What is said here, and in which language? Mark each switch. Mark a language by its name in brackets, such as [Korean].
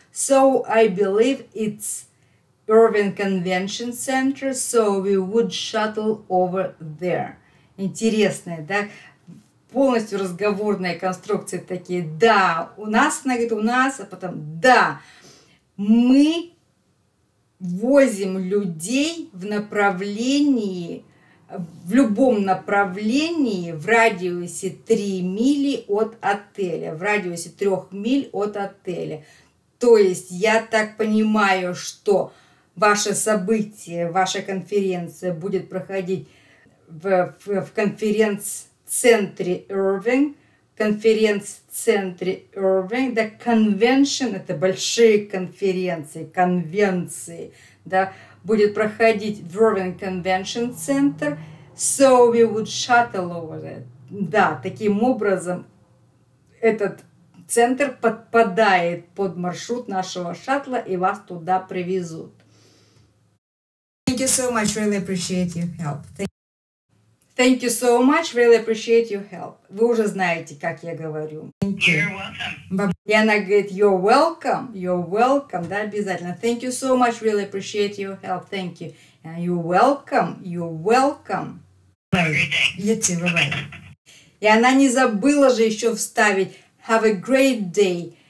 [English] So I believe it's Irving Convention Center, so we would shuttle over there. [Russian] Интересно, да? Полностью разговорные конструкции такие. Да, у нас, она говорит, у нас, а потом да. Мы возим людей в направлении, в любом направлении в радиусе 3 мили от отеля. В радиусе 3 миль от отеля. То есть я так понимаю, что ваше событие, ваша конференция будет проходить в конференц-центре. Конференц-центре Irving, да, convention, это большие конференции, конвенции, да, будет проходить в Irving Convention Center, [English] so we would shuttle over it. [Russian] Да, таким образом этот центр подпадает под маршрут нашего шаттла и вас туда привезут. [English] Thank you so much, really appreciate your help. Thank you. Thank you so much. Really appreciate your help. [Russian] Вы уже знаете, как я говорю. [English] Thank you. You're welcome. [Russian] И она говорит, [English] you're welcome. You're welcome. [Russian] Да, обязательно. [English] Thank you so much. Really appreciate your help. Thank you. And you're welcome. You're welcome. Have a great day. You too. Bye-bye. [Russian] И она не забыла же еще вставить [English] have a great day.